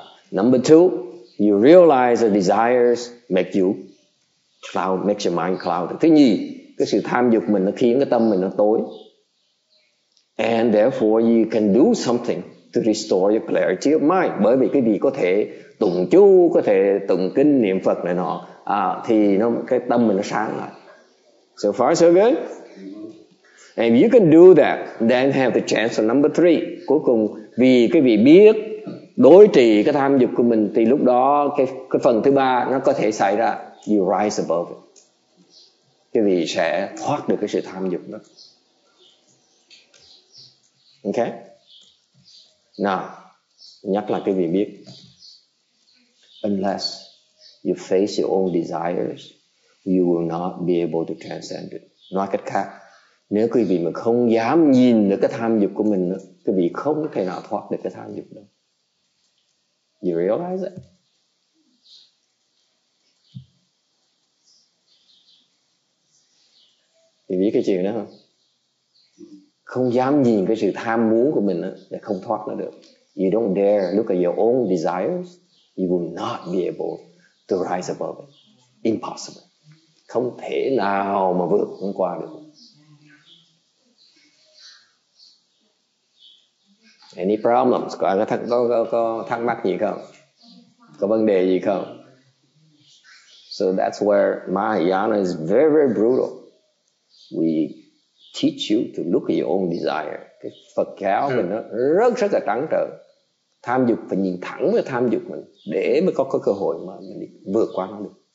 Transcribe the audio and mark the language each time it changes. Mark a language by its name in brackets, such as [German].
[English] Number two, you realize the desires makes your mind clouded. [Vietnamese] Thứ nhì, cái sự tham dục mình nó khiến cái tâm mình nó tối. [English] And therefore, you can do something to restore your clarity of mind. [Vietnamese] Bởi vì cái gì có thể tụng chú, có thể tụng kinh, niệm Phật này nọ, thì nó cái tâm mình nó sáng lại. [English] So far, so good. And if you can do that, then have the chance for number three. [Vietnamese] Cuối cùng, vì cái gì biết đối trị cái tham dục của mình, thì lúc đó cái phần thứ ba nó có thể xảy ra. [English] You rise above it. [Vietnamese] Cái gì sẽ thoát được cái sự tham dục đó. Ok. Nào, nhắc lại cái gì biết. [English] Unless you face your own desires, you will not be able to transcend it. [Vietnamese] Nói cách khác, nếu quý vị mà không dám nhìn được cái tham dục của mình, quý vị không thể nào thoát được cái tham dục đó. [English] You realize it? [Vietnamese] Quý vị biết cái chuyện đó không? Không dám nhìn cái sự tham muốn của mình để không thoát nó được. [English] You don't dare look at your own desires, you will not be able to rise above it. Impossible. [Vietnamese] Không thể nào mà vượt qua được. [English] Any problems? [Vietnamese] Có ai có thắc mắc gì không? Có vấn đề gì không? [English] So that's where Mahayana is very, very brutal. We teach you to look at your own desire. [Vietnamese] Cái Phật giáo mình nó rất rất là trắng trợn. Tham dục phải nhìn thẳng với tham dục mình để mới có cơ hội mà mình vượt qua nó được.